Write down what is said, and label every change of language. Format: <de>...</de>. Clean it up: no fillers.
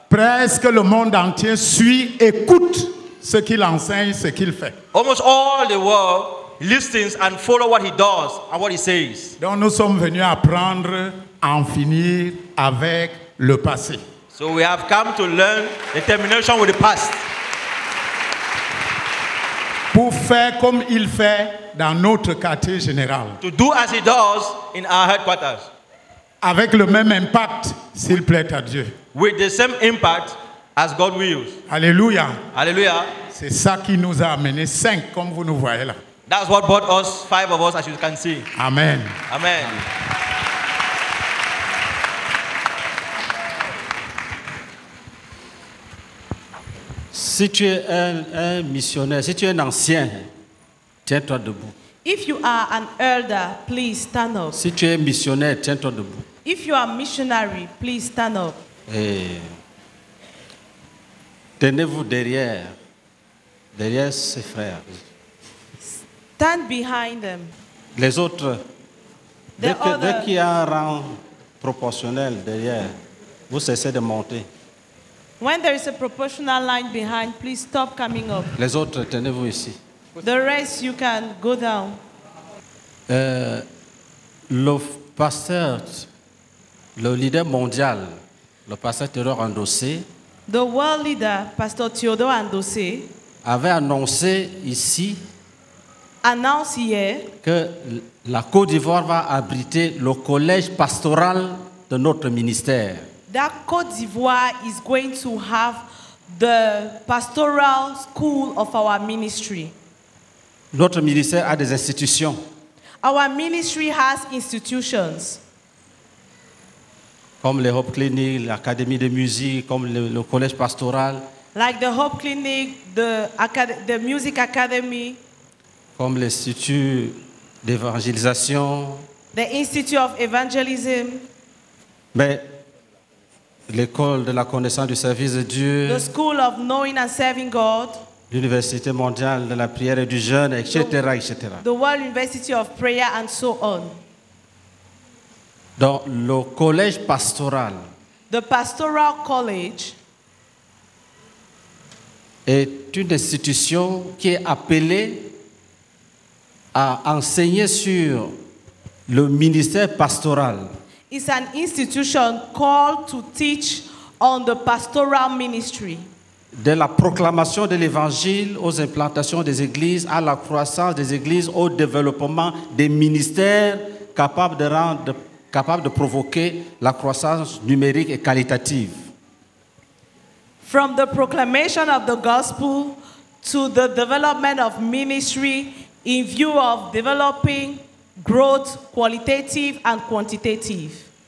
<fr>presque le monde entier suit, écoute ce qu'il enseigne, ce qu'il fait.</fr> <en>Almost all the world listens and follow what he does and what he says.</en> <fr>Donc nous sommes venus apprendre à en finir avec le passé.</fr> <en>So we have come to learn the termination with the past.</en> <fr>Pour faire comme il fait dans notre quartier général.</fr> <en>To do as he does in our headquarters.</en> <fr>Avec le même impact, s'il plaît à Dieu.</fr> <en>With the same impact as God wills.</en> <fr>Alléluia.</fr> <en>Alléluia.</en> <fr>C'est ça qui nous a amené 5 comme vous nous voyez là.</fr> <en>That's what brought us 5 of us as you can see.</en> <fr>Amen.</fr> <en>Amen.</en> <fr>Si tu es un missionnaire, si tu es un ancien, tiens-toi debout.</fr> <en>If you are an elder, please stand up.</en> <fr>Si tu es missionnaire, tiens-toi debout.</fr> <en>If you are missionary, please stand up.</en> <fr>Tenez-vous derrière ces frères.</fr> <en>Stand behind them.</en> <fr>Les autres, dès qu'il y a un rang proportionnel derrière, vous cessez de monter.</fr> <en>When there is a proportional line behind, please stop coming up.</en> <fr>Les autres, tenez-vous ici.</fr> <en>The rest, you can go down.</en> <fr>Le pasteur, le leader mondial, le pasteur Théodore Andossé,</fr> <en>the world leader, Pastor Théodore Andossé,</en> <fr>avait annoncé ici,</fr> <en>announced here,</en> <fr>que la Côte d'Ivoire va abriter le collège pastoral de notre ministère.</fr> <en>That Côte d'Ivoire is going to have the pastoral school of our ministry.</en> <fr>Notre ministère a des institutions.</fr> <en>Our ministry has institutions.</en> <fr>Comme le Hope Clinic, l'Académie de musique, comme le collège pastoral.</fr> <en>Like the Hope Clinic, the Music Academy.</en> <fr>Comme l'Institut d'évangélisation.</fr> <en>The Institute of Evangelism.</en> <fr>Mais l'école de la connaissance du service de Dieu,</fr> <en>the school of knowing and serving God,</en> <fr>l'université mondiale de la prière et du jeûne, etc., etc.</fr> <en>The World University of Prayer and so on.</en> <fr>Donc le collège pastoral,</fr> <en>the pastoral college,</en> <fr>est une institution qui est appelée à enseigner sur le ministère pastoral.</fr> <en>It's an institution called to teach on the pastoral ministry.</en> <fr>De la proclamation de l'évangile aux implantations des églises, à la croissance des églises, au développement des ministères capables de provoquer la croissance numérique et qualitative.</fr> <en>From the proclamation of the gospel to the development of ministry in view of developing growth qualitative and quantitative.</en>